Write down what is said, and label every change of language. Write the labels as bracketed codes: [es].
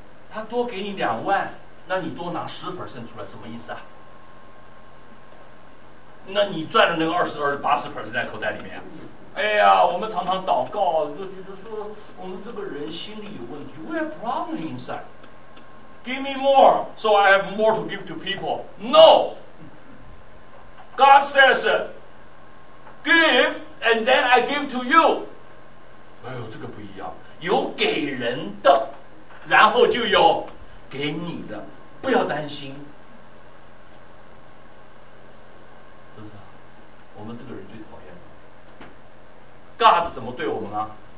[zh] 他多给你2万，那你多拿10% 出来什么意思啊？那你赚的那个20-80% 在口袋里面、哎呀，我们常常祷告就觉得说我们这个人心里有问题。 [en] We are problem inside. Give me more so I have more to give to people. No, God says give and then I give to you. [zh] 哎呦，这个不一样，有给人的然后就有给你的。不要担心，是不是？我们这个人最讨厌的 God 怎么对我们啊？